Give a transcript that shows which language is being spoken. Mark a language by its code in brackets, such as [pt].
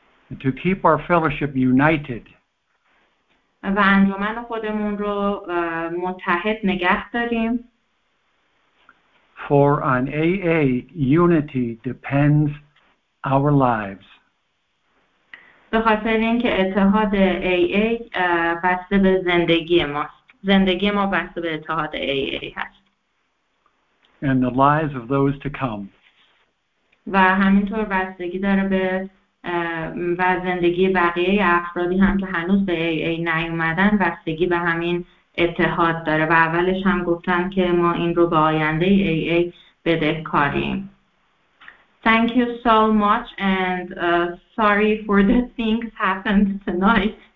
[en] And to keep our fellowship united. [fa] و انجمن خودمون رو متحد نگه داریم. [en] For an AA, unity depends our lives. [fa] به خاطر اینکه اتحاد AA بسته به زندگی ماست. زندگی ما بسته به اتحاد AA هست. [en] And the lives of those to come. [fa] و همینطور بستگی داره به و زندگی بقیه افرادی هم که هنوز به AA نیومدن بستگی به همین اتحاد داره و اولش هم گفتم که ما این رو به آینده AA بدهکاریم. [en] Thank you so much and sorry for the things happened tonight.